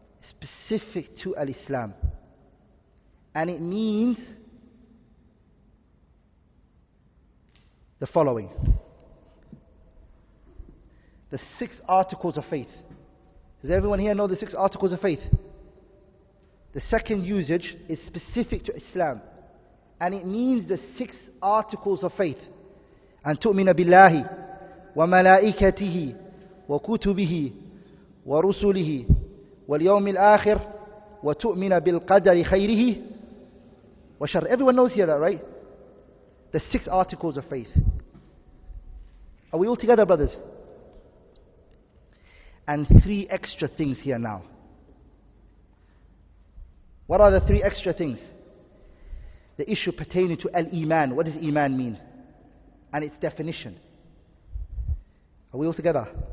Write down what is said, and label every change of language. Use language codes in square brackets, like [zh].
[en] Specific to al-Islam. And it means the following. The six articles of faith. Does everyone here know the six articles of faith? The second usage is specific to Islam. And it means the six articles of faith. [ar] And تؤمن بالله وملائكته وكتبه ورسله واليوم الآخر وتؤمن بالقدر خيره وشر. [en] Everyone knows here that, right? The six articles of faith. Are we all together, brothers? And three extra things here now. What are the three extra things? The issue pertaining to al-Iman. What does Iman mean? And its definition. Are we all together?